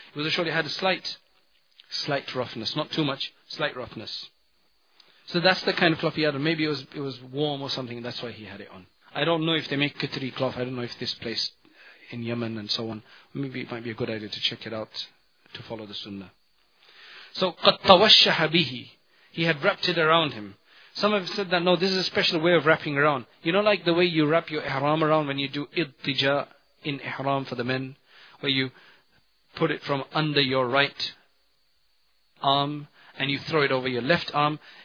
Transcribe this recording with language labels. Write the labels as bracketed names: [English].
[English] It was a shawl. It had a slight roughness, not too much, slight roughness. So that's the kind of cloth he had, and maybe it was warm or something, that's why he had it on. I don't know if they make qitri cloth, I don't know if this place in Yemen and so on, maybe it might be a good idea to check it out, to follow the sunnah. [Arabic] So قَدْ تَوَشَّحَ بِهِ. [English] He had wrapped it around him. Some have said that, no, this is a special way of wrapping around. You know, like the way you wrap your ihram around when you do ittija in ihram for the men, where you put it from under your right arm and you throw it over your left arm.